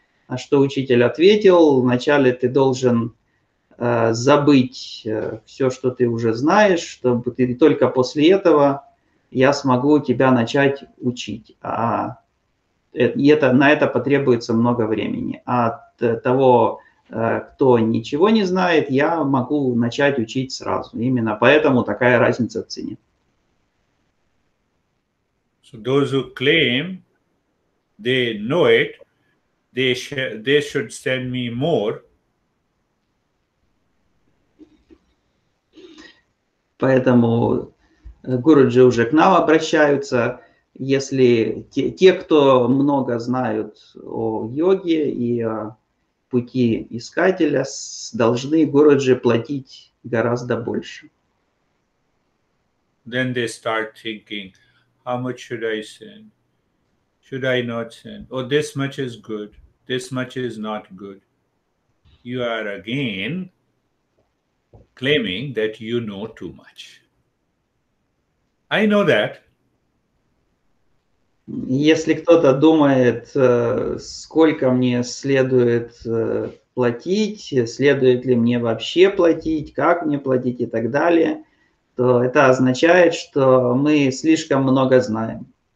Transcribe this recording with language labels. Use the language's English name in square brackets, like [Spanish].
[Russian] А что учитель ответил, вначале ты должен забыть все, что ты уже знаешь, чтобы ты только после этого я смогу тебя начать учить. А это, на это потребуется много времени. А от того, кто ничего не знает, я могу начать учить сразу. Именно поэтому такая разница в цене. [English] So those who claim they know it, they should send me more. [Russian] Поэтому Гуруджи уже к нам обращаются. Если те, кто много знают о йоге и о пути искателя, должны Гуруджи платить гораздо больше. [English] Then they start thinking, how much should I send? Should I not send? Oh, this much is good. This much is not good. You are again claiming that you know too much. I know that. [Russian] Если кто-то думает, сколько мне следует платить, следует ли мне вообще платить, как мне платить и так далее, то это означает, что мы слишком много знаем.